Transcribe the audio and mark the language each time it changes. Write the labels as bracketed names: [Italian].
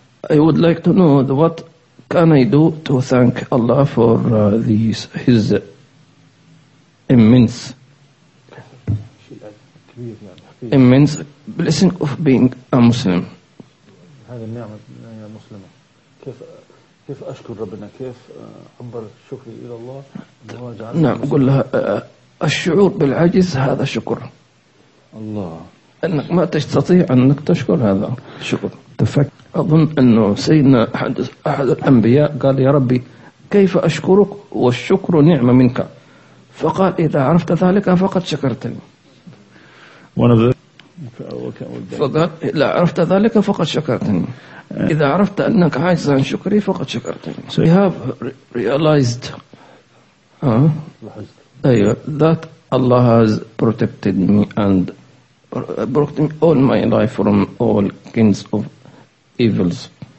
[English] I would like to know what can I do to thank Allah for his immense blessing of being a Muslim. [Arabic] هذه النعمة يا مسلمة. كيف أشكر ربنا؟ كيف أعبر شكري إلى الله؟ نعم. قل لها الشعور بالعجز هذا شكر. الله. أنك ما تستطيع أنك تشكر هذا شكر. تفكر. أظن أنه سيدنا أحد الأنبياء قال يا ربي كيف أشكرك والشكر نعمة منك؟ فقال إذا عرفت ذلك فقد شكرتني. [English] One of the. [Arabic] فقال لا عرفت ذلك فقد شكرتني. إذا عرفت أنك عاجز عن شكري فقد شكرتني. [English] So you have realized. That Allah has protected me and brought me all my life from all kinds of evils.